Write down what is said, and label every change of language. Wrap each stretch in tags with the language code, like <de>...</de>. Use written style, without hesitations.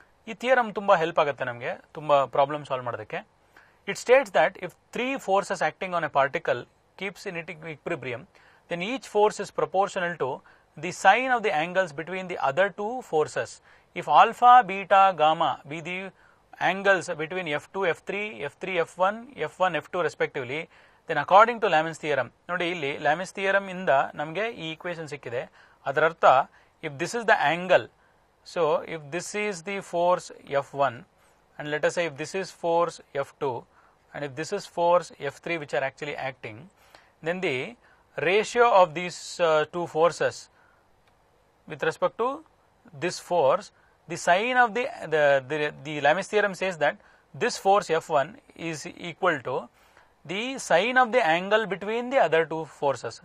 <kn>ಈ ಥಿಯರಮ್ ತುಂಬ ಹೆಲ್ಪ್ ಆಗುತ್ತೆ ನಮಗೆ ತುಂಬ ಪ್ರಾಬ್ಲಮ್ ಸಾಲ್ವ್ ಮಾಡೋದಕ್ಕೆ.</kn> <en>It states that if three forces acting on a particle keeps in it equilibrium, then each force is proportional to the sine of the angles between the other two forces. If alpha, beta, gamma be the angles between F2, F3, F3, F1, F1, F2 respectively, then according to Lamin's theorem,</en> <kn>ನೋಡಿ ಇಲ್ಲಿ Lamin's theorem ಇಂದ ನಮಗೆ ಈ equation ಸಿಕ್ಕಿದೆ. ಅದರ ಅರ್ಥ</kn> <en>If this is the angle, so if this is the force F one and let us say if this is force F two and if this is force F three which are actually acting, then the ratio of these two forces with respect to this force, the sine of the Lamy's theorem says that this force F one is equal to the sine of the angle between the other two forces.</en>